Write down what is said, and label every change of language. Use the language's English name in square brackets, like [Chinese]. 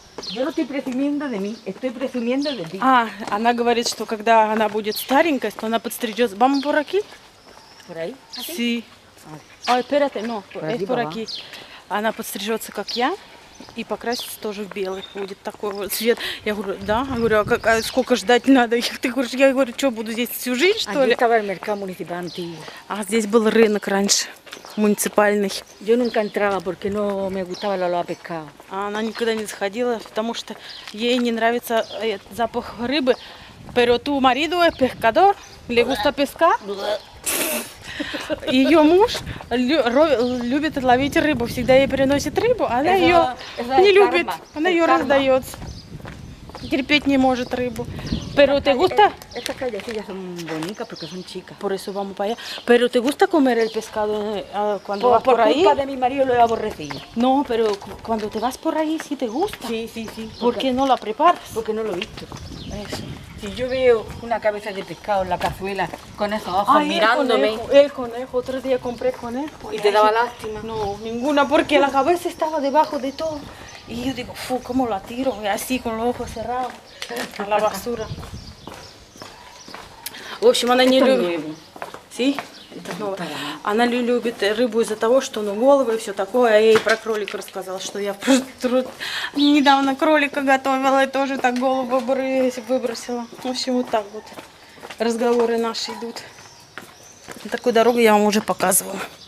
[Spanish] Yo no estoy presumiendo de mí, estoy presumiendo de ti. [Russian] А, она говорит, что когда она будет старенькая, то она подстрижет. [Spanish] Vamos por aquí? Por ahí? Sí. Ay, espérate, no, es por aquí. [Russian] Она подстрижется, как я, и покрасится тоже в белый. Будет такой вот цвет. Я говорю, да? Я говорю, а сколько ждать надо? Я говорю, что, буду здесь всю жизнь, что ли? [Spanish] Aquí estaba el mercado municipal. [Russian] А здесь был рынок раньше. Муниципальный. [Spanish] Yo nunca entraba porque no me gustaba el olor a pescado. [Russian] Она никогда не заходила, потому что ей не нравится запах рыбы. [Spanish] Pero tu marido es pescador, le gusta pescar. [Russian] Ее муж любит ловить рыбу, всегда ей приносит рыбу, она ее не любит, она ее раздает. Терпеть не может рыбу. [Spanish] Pero te gusta? Estas callecillas son bonitas porque son chicas. Por eso vamos para allá. Pero te gusta comer el pescado cuando vas por ahí? Por culpa de mi marido lo he aborrecido. No, pero cuando te vas por ahí sí te gusta. Sí. ¿Por qué no la preparas? Porque no lo he visto. Eso. Si yo veo una cabeza de pescado en la cazuela con esos ojos mirándome. El conejo. Otro día compré conejo. ¿Y te daba lástima? No, ninguna, porque la cabeza estaba debajo de todo. Y yo digo, ¿cómo la tiro? Y así, con los ojos cerrados, a la basura. [Russian] В общем, она не любит. [Spanish] Си? [Russian] Она любит рыбу из-за того, что ну головы и все такое. А я ей про кролика рассказала, что я недавно кролика готовила и тоже так голову выбросила. В общем, вот так вот разговоры наши идут. Такую дорогу я вам уже показывала.